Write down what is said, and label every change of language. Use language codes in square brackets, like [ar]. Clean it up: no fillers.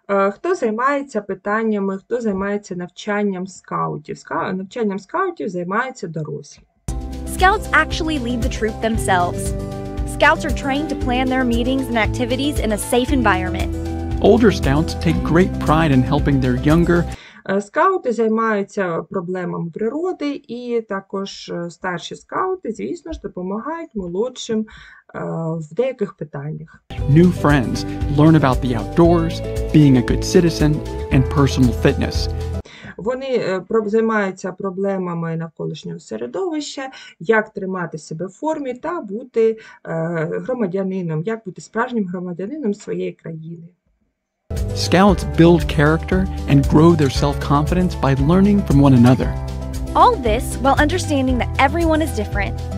[uk] хто займається питаннями, хто займається навчанням скаутів? Навчанням скаутів займаються дорослі. [en] Scouts actually lead the troop themselves. Scouts are trained to plan their meetings and activities in a safe environment. Older scouts take great pride in helping their younger. [uk] Скаути займаються проблемами природи, і також старші скаути, звісно ж, допомагають молодшим в деяких питаннях. [en] New friends learn about the outdoors, being a good citizen, and personal fitness. [uk] Вони займаються проблемами навколишнього середовища, як тримати себе в формі та бути громадянином, як бути справжнім громадянином своєї країни. [en] Scouts build character and grow their self-confidence by learning from one another. All this while understanding that everyone is different.